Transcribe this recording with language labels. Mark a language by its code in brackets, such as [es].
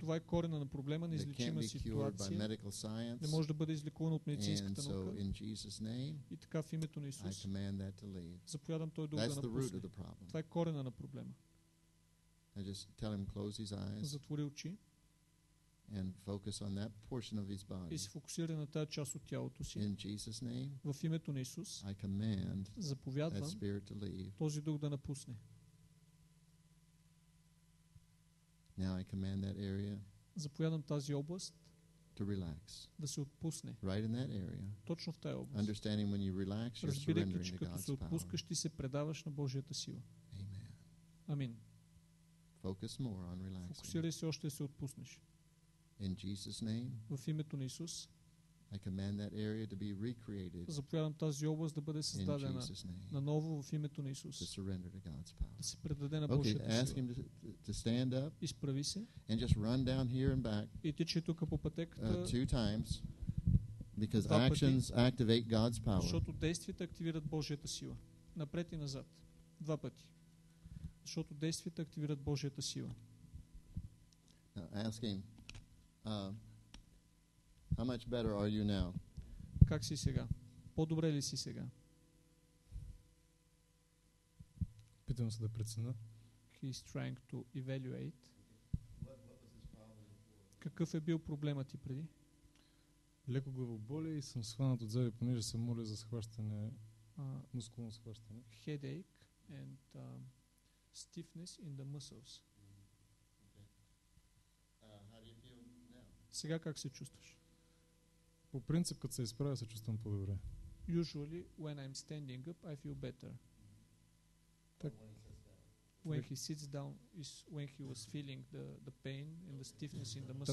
[bg] Това е корена на проблема, на излечима ситуация. Не може да бъде излекувано от медицинската [en] and so [bg] наука. [en] In Jesus name, [bg] и така в името на Исус [en] I command that to leave. [bg] Заповядам той дух [en] that's [bg] да напусне. Това е корена на проблема. [en] I just tell him close his eyes. [bg] Затвори очи. [en] And focus on that portion of his body. [bg] И се фокусирай на тази част от тялото си. [en] In Jesus name, [bg] в името на Исус [en] I command [bg] заповядвам [en] that spirit to leave. [bg] Този дух да напусне. [en] Now I command that area [bg] заповядам тази област [en] to relax. [bg] Да се отпусне. [en] Right in that area. [bg] Точно в тази област. [en] Understanding when you relax, you're surrendering to God's power. [bg] Разбирайки, че като се отпускаш, ти се предаваш на Божията сила. [en] Amen. [bg] Амин. [en] Focus more on relaxing. [bg] Фокусирай се още да се отпуснеш. [en] In Jesus name, [bg] в името на Исус [en] I command that area to be recreated. [bg] Заповядам тази област да бъде създадена наново в името на Исус. [en] To surrender to God's power. [bg] Да се предаде на Божията сила. [en] Ask him to stand up. [bg] Изправи се. [en] And just run down here and back. [bg] И тичи тук по пътеката. [en] Two times. Because actions activate God's power. [bg] Защото действията активират Божията сила. Напред и назад. Два пъти. Защото действията активират Божията сила. [en] Now ask him. How much better are you now? [bg] Как си сега? По-добре ли си сега? Питам се да преценя. [en] He's trying to evaluate. [bg] Какъв е бил проблемът ти преди? Леко главоболие и съм схванат отзади, понеже се моля за схващане, мускулно схващане. [en] Headache and stiffness in the muscles. [bg] Сега как се чувстваш? По принцип, като се изправя, се чувствам по-добре. [en] Usually, when I'm standing up, I feel better. [bg] Так. [en] When he sits down, is when he was feeling the pain and the stiffness in the muscles.